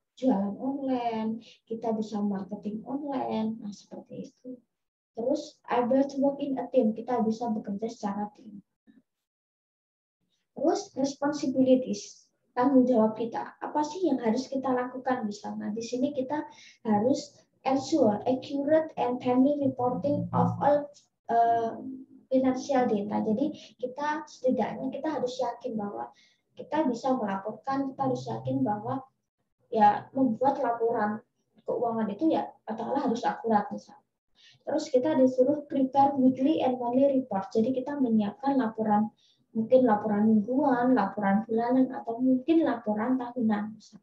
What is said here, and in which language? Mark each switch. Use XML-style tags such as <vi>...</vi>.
<id>Jualan online, kita bisa marketing online, nah seperti itu. Terus,</id> <en>able to work in a team,</en> <id>kita bisa bekerja secara tim. Terus, responsibilities, tanggung jawab kita. Apa sih yang harus kita lakukan misalnya? Di sini kita harus</id> <en>ensure accurate and timely reporting of all financial data.</en> <id>Jadi kita setidaknya kita harus yakin bahwa kita bisa melaporkan, kita harus yakin bahwa ya membuat laporan keuangan itu ya katakanlah harus akurat misalnya. Terus kita disuruh</id> <en>prepare weekly and monthly report.</en> <id>Jadi kita menyiapkan laporan, mungkin laporan mingguan, laporan bulanan, atau mungkin laporan tahunan.</id>